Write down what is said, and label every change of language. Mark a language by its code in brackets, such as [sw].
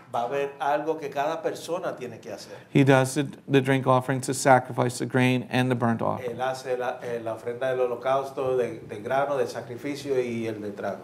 [es] Va a haber algo que cada persona tiene que hacer. [en] He does the drink offering to sacrifice the grain and the burnt offering. [es] Él hace la ofrenda del holocausto, de grano, de sacrificio y el de trago.